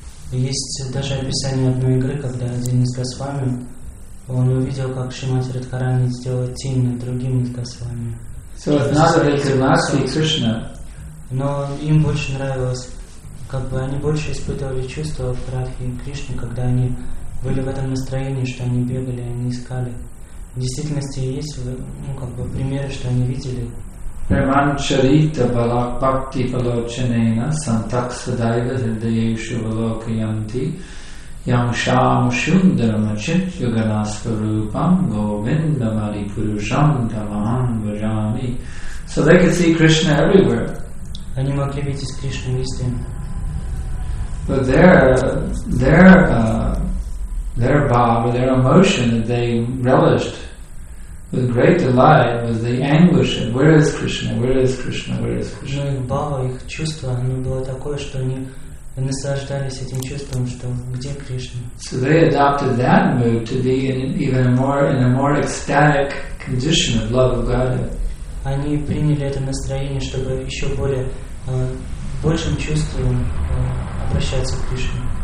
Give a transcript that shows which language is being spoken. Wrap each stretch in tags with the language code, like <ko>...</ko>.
<ru>Есть даже описание одной игры, когда один из Госвами, он увидел, как Шримати Радхарани сделал тень над другим из Госвами.</ru> <en>So it's not that they could not see Krishna.</en> <ru>Но им больше нравилось, как бы они больше испытывали чувство в Радхе и Кришне, когда они были в этом настроении, что они бегали, они искали. В действительности есть, ну, как бы примеры, что они видели.</ru> <sa>Premancharita balakpakti palochanena santaksadaiva hridayeshu valokayanti Yamsham Shundaram Achit Yoganasvarupam Govindam Adipurusham Tamaham Vajami.</sa> <en>So they could see Krishna everywhere.</en> <ru>Они могли видеть Кришну везде.</ru> <en>But their bhava, their emotion that they relished with great delight was the anguish of where is Krishna, where is Krishna, where is Krishna.</en> <ru>Но их бхава, их чувство, оно было такое, что они наслаждались этим чувством, что где Кришна.</ru> <en>So they adopted that mood to be in a more ecstatic condition of love of Godhead.</en> <ru>Они приняли это настроение, чтобы еще более большим чувством обращаться к Кришне.</ru>